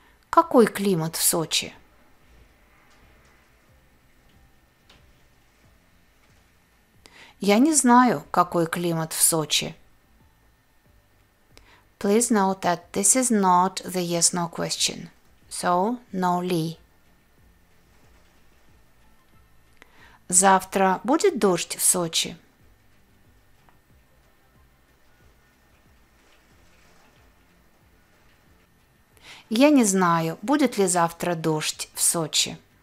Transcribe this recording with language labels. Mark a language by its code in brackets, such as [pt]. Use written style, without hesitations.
[ru] Какой климат в Сочи? Я не знаю, какой климат в Сочи. [en] Please note that this is not the yes-no question. So, no ли. [ru] Завтра будет дождь в Сочи? Я не знаю, будет ли завтра дождь в Сочи.